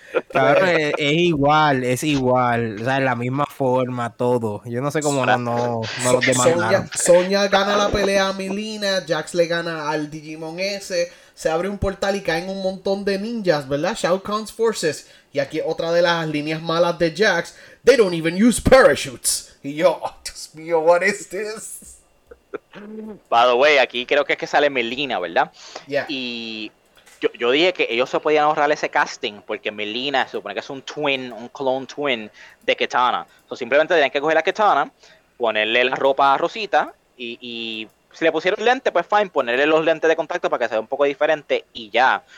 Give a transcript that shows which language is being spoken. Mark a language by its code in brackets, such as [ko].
[es] Claro, es igual, o sea, es la misma forma, todo. Yo no sé cómo no los demandaron. Sonya gana la pelea a Melina, Jax le gana al Digimon ese. Se abre un portal y caen un montón de ninjas, ¿verdad? [en] Shao Kahn's forces. [es] Y aquí otra de las líneas malas de Jax. [en] They don't even use parachutes. [es] Y yo, oh, Dios mío, [en] what is this? By the way, [es] aquí creo que es que sale Melina, ¿verdad? [en] Yeah. [es] Y yo dije que ellos se podían ahorrar ese casting porque Melina se supone que es un twin, un clone twin de Kitana. [en] So, [es] simplemente tenían que coger a Kitana, ponerle la ropa rosita y si le pusieron lente, pues fine, ponerle los lentes de contacto para que sea un poco diferente y ya.